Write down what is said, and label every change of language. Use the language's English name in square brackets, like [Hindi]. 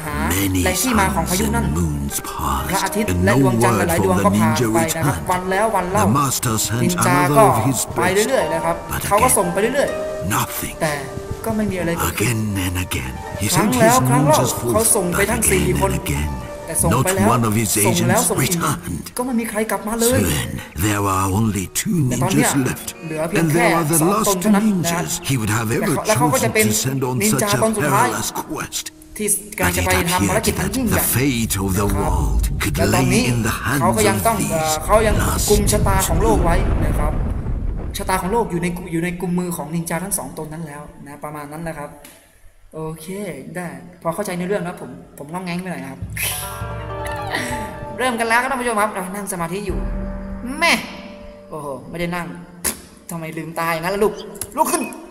[English] Many suns and moons passed, and no word from the ninja returned. The master sent another of his best, but again, nothing. Again and again, he sent his ninjas forth, but again and again, [Thai] ส่งไปแล้วส่งแล้วส่งอีกก็ไม่มีใครกลับมาเลยแต่ตอนนี้เหลือเพียงแค่สองตนเท่านั้นนะครับ [English] There are only two ninjas left, and there are the last ninjas. He would have ever chosen to send on such a perilous quest. [Thai] ที่กำลังจะไปทำภารกิจที่ยิ่งใหญ่ [English] fate of the world could lay in the hands of these last ninjas. [Thai] เขายังกุมชะตาของโลกไว้นะครับชะตาของโลกอยู่ในกุมมือของนินจาทั้งสองตนนั้นแล้วนะประมาณนั้นแหละครับโอเคได้พอเข้าใจในเรื่องแล้วผมงงแง่งไปหน่อยครับเริ่มกันแล้วครับท่านผู้ชมครับนั่งสมาธิอยู่แม่โอ้โหไม่ได้นั่งทำไมลืมตาอย่างนั้นล่ะลูกขึ้น